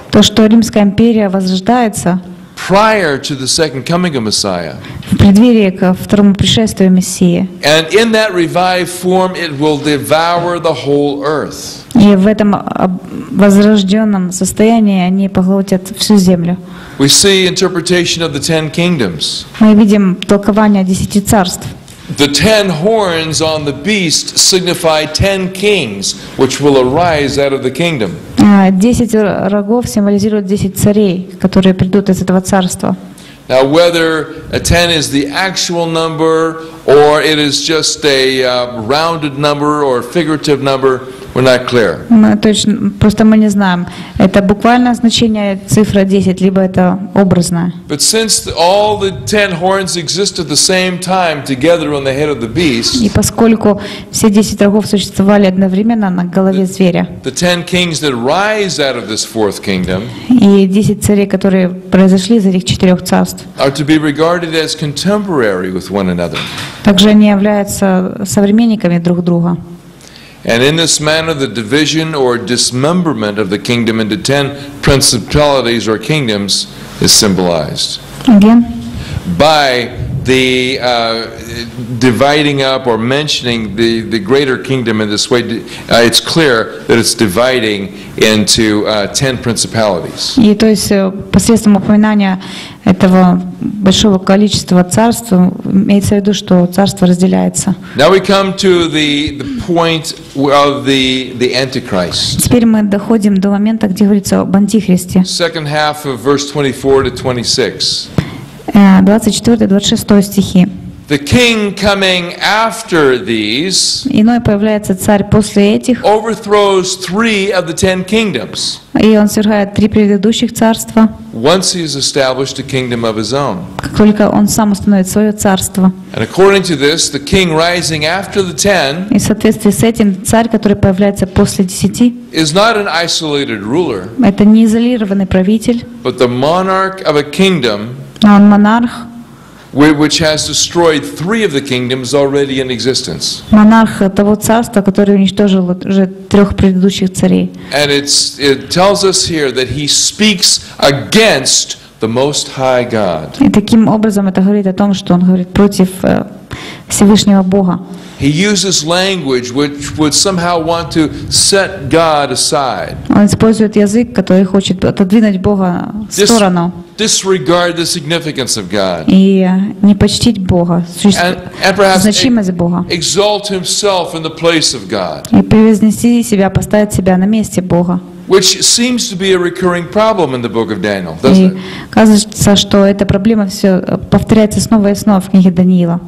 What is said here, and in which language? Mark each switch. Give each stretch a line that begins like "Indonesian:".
Russian: То, что Римская империя возрождается.
English: Prior to the second coming of Messiah.
Russian: В преддверии ко второму пришествию Мессии.
English: And in that revived form, it will devour the whole earth.
Russian: И в этом возрожденном состоянии они поглотят всю землю.
English: We see interpretation of the ten kingdoms.
Russian: Мы видим толкование десяти царств.
English: The ten horns on the beast signify ten kings, which will arise out of the kingdom.
Russian: 10 рогов символизируют 10 царей, которые придут из этого царства.
English: Now whether a 10 is the actual number or it is just a rounded number or figurative number, we're not clear.
Russian: Мы точно просто мы не знаем, это буквальное значение цифра 10 либо это образное.
English: But since all the 10 horns exist at the same time together on the head of the beast.
Russian: И поскольку все 10 рогов существовали одновременно на голове зверя.
English: The 10 kings that rise out of this fourth kingdom.
Russian: И 10 царей, которые произошли из этих четырех царств.
English: Are to be regarded as contemporary with one another.
Russian: Также они являются современниками друг друга.
English: And in this manner, the division or dismemberment of the kingdom into 10 principalities or kingdoms is symbolized. Again. By the dividing up or mentioning the greater kingdom in this way, it's clear that it's dividing into 10 principalities.
Russian: И то есть посредством упоминания этого большого количества царств имеется в виду, что царство разделяется.
English: Now we come to the point of the Antichrist.
Russian: Теперь мы доходим до момента, где говорится об Антихристе.
English: Second half of verse 24-26.
Russian: 24-26 стихи.
English: The king coming after these,
Russian: иной появляется царь после этих,
English: overthrows three of the ten kingdoms.
Russian: И он свергает три предыдущих царства.
English: Once he has established a kingdom of his own.
Russian: Как только он сам установит свое царство.
English: And according to this, the king rising after the ten,
Russian: и в соответствии с этим царь, который появляется после десяти,
English: is not an isolated ruler.
Russian: Это не изолированный правитель.
English: But the monarch of a kingdom.
Russian: Но он монарх.
English: Which has destroyed three of the kingdoms already in existence.
Russian: Монарх того царства, который уничтожил уже трех предыдущих царей.
English: And it tells us here that he speaks against the Most High God.
Russian: И таким образом это говорит о том, что он говорит против Всевышнего Бога.
English: He uses language which would somehow want to set God aside.
Russian: Он использует язык, который хочет отодвинуть Бога в сторону.
English: Disregard the significance of God.
Russian: И не почтить Бога, значимость Бога.
English: Exalt himself in the place of God.
Russian: И превознести себя, поставить себя на месте Бога.
English: Which seems to be a recurring problem in the book of Daniel, doesn't it?
Russian: Кажется, что эта проблема все повторяется снова и снова в книге Даниила.